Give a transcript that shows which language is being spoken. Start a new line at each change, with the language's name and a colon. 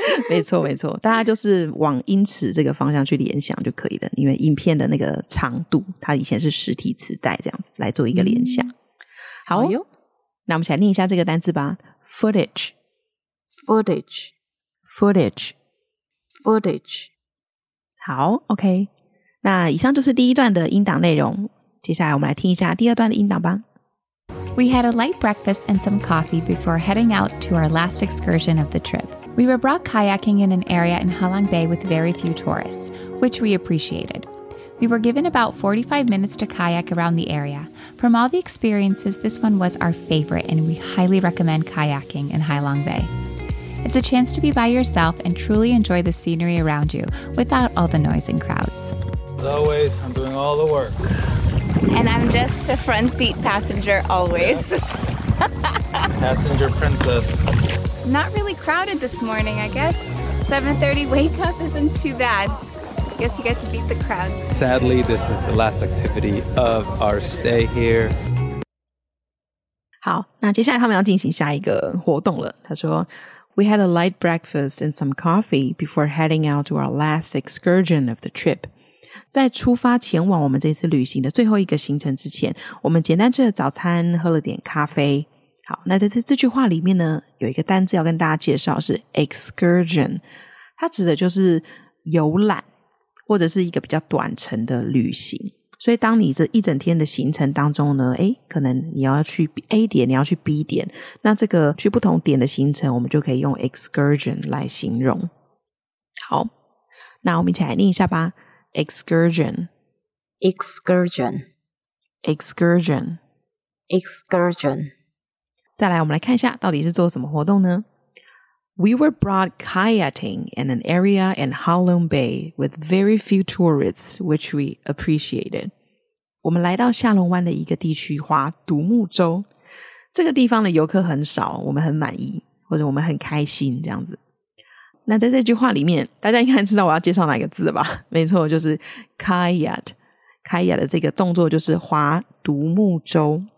Chinese: 没错没错，大家就是往英尺这个方向去联想就可以了，因为影片的那个长度它以前是实体磁带，这样子来做一个联想、嗯、好、哎、那我们起来念一下这个单字吧， footage
English: footage footage footage。
Chinese: 好， OK， 那以上就是第一段的音档内容，接下来我们来听一下第二段的音档吧。
English: We had a light breakfast and some coffee before heading out to our last excursion of the trip. We were brought kayaking in an area in Halong Bay with very few tourists, which we appreciated. We were given about 45 minutes to kayak around the area. From all the experiences, this one was our favorite, and we highly recommend kayaking in Halong Bay. It's a chance to be by yourself and truly enjoy the scenery around you without all the noise and crowds. As always, I'm doing all the work. And I'm just a front seat passenger always. Passenger princess. Not really crowded this morning, I guess. 7:30 wake up isn't too bad. I guess you get to beat the crowds. Sadly, this is the last activity of our stay here.
Chinese: 好，那接下来他们要进行下一个活动了。他说
English: ,We had a light breakfast and some coffee before heading out to our last excursion of the trip.
Chinese: 在出发前往我们这次旅行的最后一个行程之前，我们简单吃了早餐，喝了点咖啡。好，那在 这句话里面呢，有一个单字要跟大家介绍是 excursion， 它指的就是游览或者是一个比较短程的旅行。所以当你这一整天的行程当中呢，诶，可能你要去 A 点，你要去 B 点，那这个去不同点的行程我们就可以用 excursion 来形容。好，那我们一起来念一下吧。
English: Excursion, excursion, excursion, excursion.
Chinese: 再来，我们来看一下到底是做什么活动呢？
English: We were brought kayaking in an area in Halong Bay with very few tourists, which we appreciated.
Chinese: 我们来到下龙湾的一个地区，划独木舟。这个地方的游客很少，我们很满意，或者我们很开心，这样子。那在这句话里面，大家应该知道我要介绍哪个字吧？没错，就是 kayak。 kayak 的这个动作就是划独木舟。